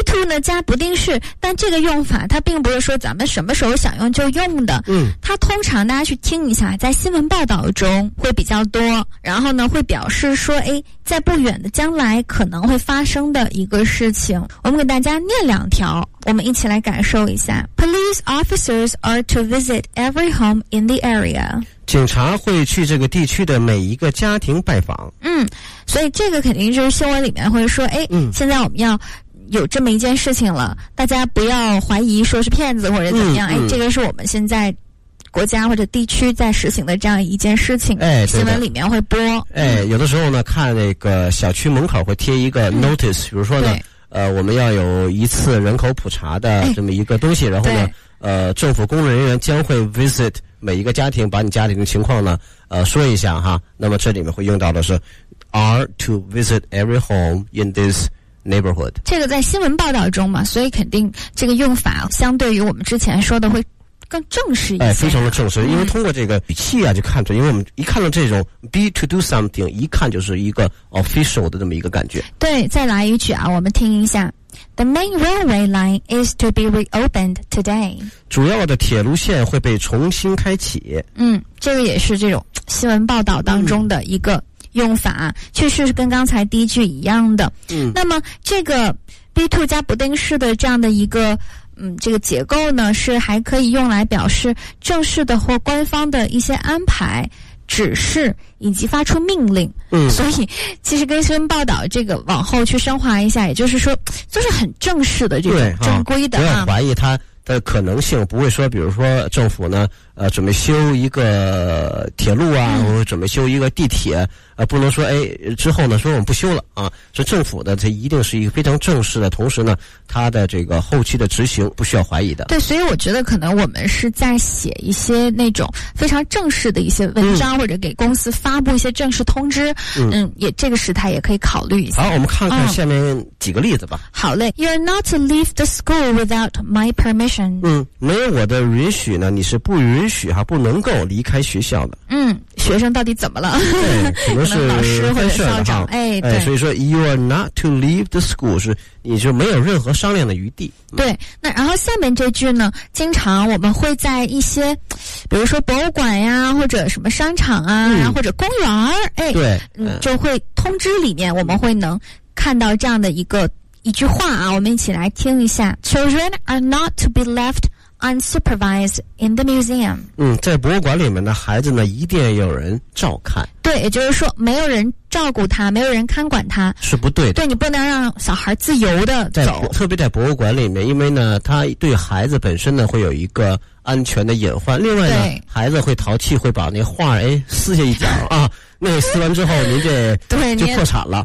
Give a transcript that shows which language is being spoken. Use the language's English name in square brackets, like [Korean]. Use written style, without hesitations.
[Chinese] be to 呢加不定式，但这个用法它并不是说咱们什么时候想用就用的。嗯，它通常大家去听一下，在新闻报道中会比较多，然后呢会表示说，哎，在不远的将来可能会发生的一个事情。我们给大家念两条，我们一起来感受一下。 [English] Police officers are to visit every home in the area. [Chinese] 警察会去这个地区的每一个家庭拜访。嗯，所以这个肯定就是新闻里面会说，哎，现在我们要有这么一件事情了，大家不要怀疑说是骗子或者怎么样，哎，这个是我们现在国家或者地区在实行的这样一件事情，哎，新闻里面会播。哎，有的时候呢看那个小区门口会贴一个 notice， 比如说呢我们要有一次人口普查的这么一个东西，然后呢政府工作人员将会 visit 每一个家庭，把你家里的情况呢说一下哈。那么这里面会用到的是 [English] are to visit every home in this neighborhood。 [Chinese] 这个在新闻报道中嘛，所以肯定这个用法相对于我们之前说的会更正式一些，哎，非常的正式，因为通过这个语气啊就看出，因为我们一看到这种 [English] be to do something， [Chinese] 一看就是一个 official 的这么一个感觉。对，再来一句啊，我们听一下。 [English] The main railway line is to be reopened today. [Chinese] 主要的铁路线会被重新开启。嗯，这个也是这种新闻报道当中的一个用法，确实是跟刚才第一句一样的。嗯，那么这个 be to 加不定式的这样的一个这个结构呢是还可以用来表示正式的或官方的一些安排、指示以及发出命令。嗯，所以其实跟新闻报道这个往后去升华一下，也就是说就是很正式的这种正规的，不要怀疑它的可能性，不会说比如说政府呢准备修一个铁路啊，或者准备修一个地铁，不能说哎之后呢说我们不修了啊。所以政府的这一定是一个非常正式的，同时呢它的这个后期的执行不需要怀疑的。对，所以我觉得可能我们是在写一些那种非常正式的一些文章，或者给公司发布一些正式通知。也这个时态也可以考虑一下。好，我们看看下面几个例子吧。好嘞。 [English] You're not to leave the school without my permission. [Chinese] 没有我的允许呢你是不允许不能够离开学校的。嗯，学生到底怎么了？可能是老师或者校长。哎，所以说 [English] you are not to leave the school [Chinese] 是你就没有任何商量的余地。对，那然后下面这句呢，经常我们会在一些，比如说博物馆呀，或者什么商场啊，或者公园儿，哎，对，就会通知里面我们会能看到这样的一句话啊，我们一起来听一下。 [English] Children are not to be left unsupervised in the museum. [Chinese] 在博物馆里面的孩子呢一定有人照看。对，也就是说没有人照顾他，没有人看管他是不对的。对，你不能让小孩自由的走，在特别在博物馆里面，因为呢他对孩子本身呢会有一个安全的隐患，另外呢孩子会淘气，会把那画哎撕下一角啊，那撕完之后您这就破产了。